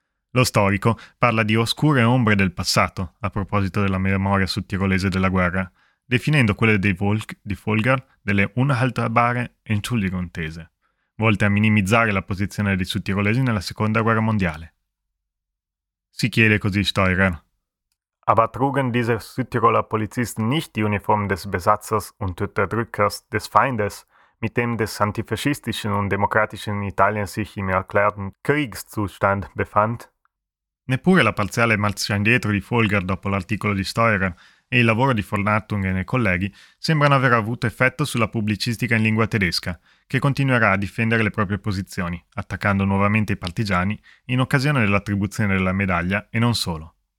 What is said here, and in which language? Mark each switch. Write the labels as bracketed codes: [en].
[it] Lo storico parla di oscure ombre del passato, a proposito della memoria sudtirolese della guerra, definendo quelle dei di Folger delle [de] unhaltbare Entschuldigungsthese, [it] volte a minimizzare la posizione dei sudtirolesi nella Seconda Guerra Mondiale. Si chiede così Steurer: [de] Aber trugen diese Südtiroler Polizisten nicht die Uniform des Besatzers und Unterdrückers des Feindes, mit dem des antifaschistischen und demokratischen Italien sich im erklärten Kriegszustand befand? [it] Neppure la parziale marcia indietro di Folger dopo l'articolo di Steurer e il lavoro di Fornartungen e colleghi sembrano aver avuto effetto sulla pubblicistica in lingua tedesca, che continuerà a difendere le proprie posizioni, attaccando nuovamente i partigiani in occasione dell'attribuzione della medaglia e non solo.